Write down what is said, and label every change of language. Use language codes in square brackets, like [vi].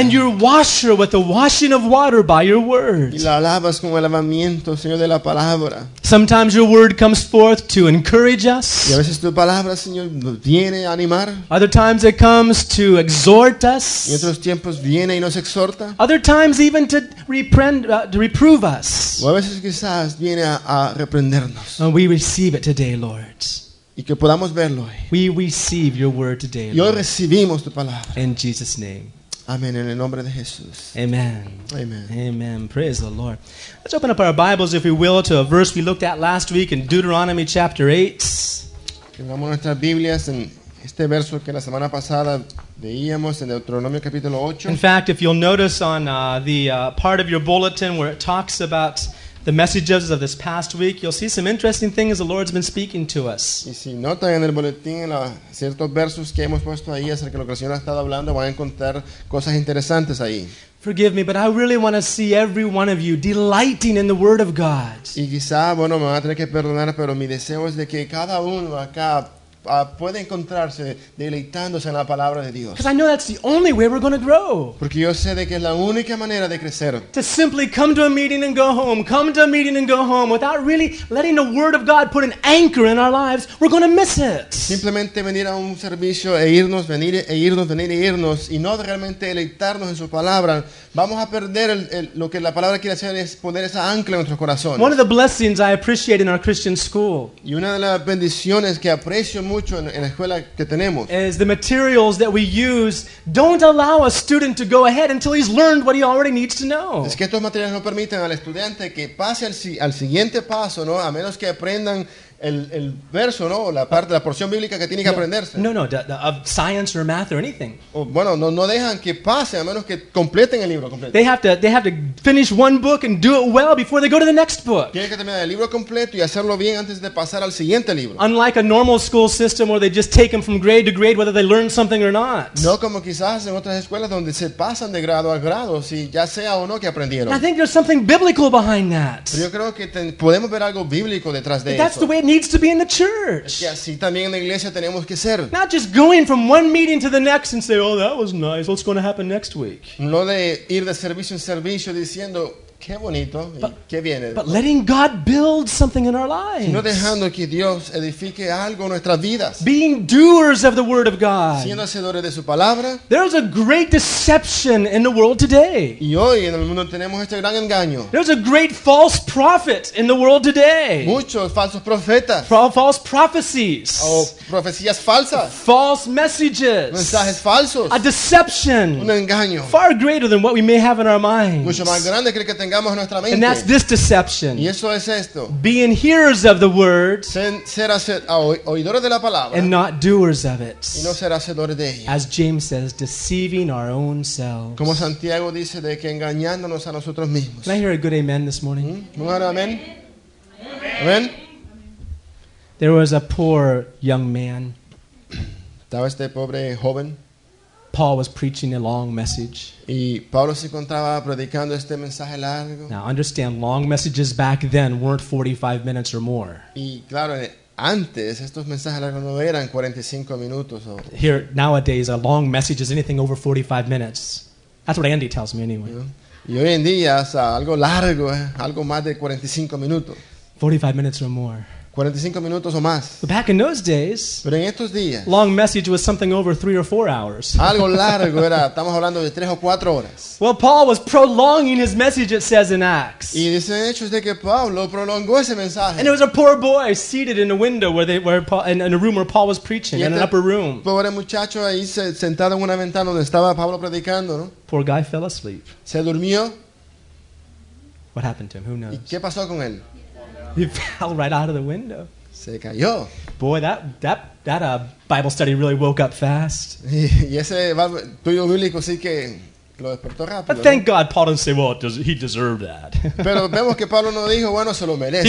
[en] And you wash her with the washing of water by your word. [es] Y la lavas con el lavamiento, Señor, de la palabra. [en] Sometimes your word comes forth to encourage us. [es] Y a veces tu palabra, Señor, viene a animar. [en] Other times it comes to exhort us. [es] Y otros tiempos viene y nos exhorta. [en] Other times even to reprove us. [es] O a veces quizás viene a reprendernos. [en] And we receive it today, Lord. [es] Y que podamos verlo hoy. [en] We receive your word today, [es] y hoy recibimos tu palabra. [en] In Jesus' name. [es] Amen. En el nombre de Jesús. Amen. Amen. [en] Amen. Praise the Lord. Let's open up our Bibles, if we will, to a verse we looked at last week in Deuteronomy chapter 8. [es] Tengamos nuestras Biblias en este verso que la semana pasada veíamos en Deuteronomio capítulo 8. [en] In fact, if you'll notice on part of your bulletin where it talks about the messages of this past week, you'll see some interesting things the Lord's been speaking to us. [es] Y si notan en el boletín ciertos versos que hemos puesto ahí acerca de lo que el Señor ha estado hablando, van a encontrar cosas interesantes ahí. [en] Forgive me, but I really want to see every one of you delighting in the Word of God. [es] Y quizá, bueno, me van a tener que perdonar, pero mi deseo es de que cada uno acá puede encontrarse deleitándose en la palabra de Dios. [en] Because I know that's the only way we're going to grow. [es] Porque yo sé de que es la única manera de crecer. [en] To simply come to a meeting and go home, come to a meeting and go home, without really letting the Word of God put an anchor in our lives, we're going to miss it. [es] Simplemente venir a un servicio e irnos, venir e irnos, venir e irnos, y no realmente deleitarnos en su palabra, vamos a perder lo que la palabra quiere hacer, es poner esa ancla en nuestros corazones. [en] One of the blessings I appreciate in our Christian school. [es] Y una de las bendiciones que aprecio mucho en la escuela que tenemos [en] is the materials that we use don't allow a student to go ahead until he's learned what he already needs to know. [es] Es que estos materiales no permiten al estudiante que pase al siguiente paso, ¿no? A menos que aprendan el verso, ¿no? La parte, la porción bíblica que tiene que aprenderse. [en] No, of science or math or anything. [es] Bueno, no dejan que pase a menos que completen el libro completo. [en] They have to finish one book and do it well before they go to the next book. [es] Tiene que terminar el libro completo y hacerlo bien antes de pasar al siguiente libro. [en] Unlike a normal school system where they just take them from grade to grade whether they learn something or not. [es] No como quizás en otras escuelas donde se pasan de grado a grado si ya sea o no que aprendieron. [en] I think there's something biblical behind that. [es] Pero yo creo que podemos ver algo bíblico detrás de eso. [en] It needs to be in the church. [es] Es que así también en la iglesia tenemos que ser. [en] Not just going from one meeting to the next and say, oh, that was nice, what's going to happen next week? [es] No de ir de servicio en servicio diciendo, qué bonito, qué viene. [en] But letting God build something in our lives. [es] No dejando que Dios edifique algo en nuestras vidas. [en] Being doers of the word of God. [es] Siendo hacedores de su palabra. [en] There's a great deception in the world today. [es] Y hoy en el mundo tenemos este gran engaño. [en] There's a great false prophet in the world today. [es] Muchos falsos profetas. [en] False prophecies. [es] O profecías falsas. [en] False messages. [es] Mensajes falsos. [en] A deception. [es] Un engaño. [en] Far greater than what we may have in our minds. [es] Mucho más grande que tengamos nuestra mente. [en] And that's this deception. [es] Y eso es esto. [en] Being hearers of the word. [es] Ser oidores de la palabra. [en] And not doers of it. [es] Y no ser hacedores de ella. [en] As James says, deceiving our own selves. [es] Como Santiago dice de que engañándonos a nosotros mismos. [en] Can I hear a good amen this morning? Amen. Amen. Amen. There was a poor young man. [es] Estaba este pobre joven. [en] Paul was preaching a long message. [es] Y Pablo se encontraba predicando este mensaje largo. [en] Now understand, long messages back then weren't 45 minutes or more. [es] Y claro, antes estos mensajes largos no eran 45 minutos. [en] Here, nowadays, a long message is anything over 45 minutes. That's what Andy tells me anyway. [es] Y hoy en día es algo largo, algo más de 45 minutos. [en] 45 minutes or more. [es] 45 minutos o más. [en] But back in those days, [es] pero en estos días, [en] long message was something over 3 or 4 hours. [es] Algo largo era, estamos hablando de 3 o 4 horas. [en] Well, Paul was prolonging his message, it says in Acts. [es] Y dice en Hechos de que Pablo prolongó ese mensaje. [en] And there was a poor boy seated in a window in a room where Paul was preaching, in an upper room. [es] Pobre muchacho ahí sentado en una ventana donde estaba Pablo predicando, ¿no? [en] Poor guy fell asleep. [es] Se durmió. [en] What happened to him? Who knows? [es] ¿Y qué pasó con él? [en] He fell right out of the window. [es] Se cayó. [en] Boy, that Bible study really woke up fast. [es] Y ese estudio bíblico sí que lo despertó rápido. [en] But thank God, Paul didn't say, "Well, he deserved that." [es] Pero vemos que Pablo no dijo, bueno, se lo merece.